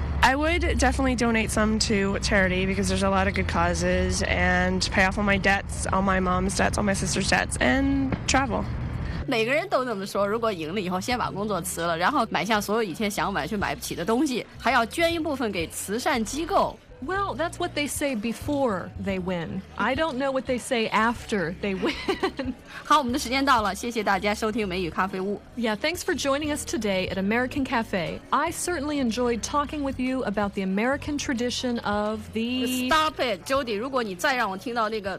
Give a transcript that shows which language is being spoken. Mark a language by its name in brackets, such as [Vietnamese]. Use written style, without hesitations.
[English] I would definitely donate some to charity because there's a lot of good causes and pay off all my debts, all my mom's debts, all my sister's debts, and travel. [Chinese] 每个人都这么说，如果赢了以后先把工作辞了，然后买下所有以前想买却买不起的东西，还要捐一部分给慈善机构。 [English] Well, that's what they say before they win. I don't know what they say after they win. [Chinese] 好，我们的时间到了，谢谢大家收听美语咖啡屋。 [English] Yeah, thanks for joining us today at American Cafe. I certainly enjoyed talking with you about the American tradition of the... Stop it, Jody. [Chinese] 如果你再让我听到那个